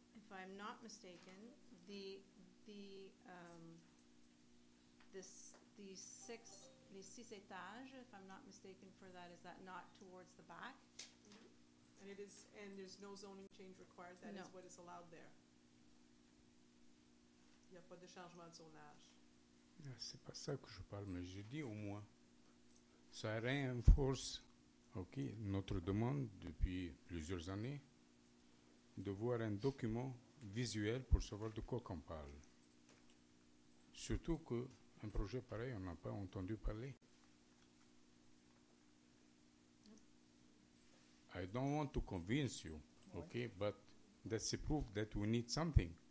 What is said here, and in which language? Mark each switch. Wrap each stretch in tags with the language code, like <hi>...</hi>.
<en>I'm not mistaken,</en> <fr>les six étages,</fr> <en>if I'm not mistaken for that, is that not towards the back? Mm-hmm. And it is, and there's no zoning change required, that no. is what is allowed there.</en> <fr>Il n'y a pas de changement de zonage. Ah, c'est pas ça que je parle, mais je dis au moins, ça renforce, ok, notre demande depuis plusieurs années, de voir un document visuel pour savoir de quoi qu'on parle. Surtout qu'un projet pareil, on n'a pas entendu parler.</fr> <en>I don't want to convince you, okay, but that's a proof that we need something.</en>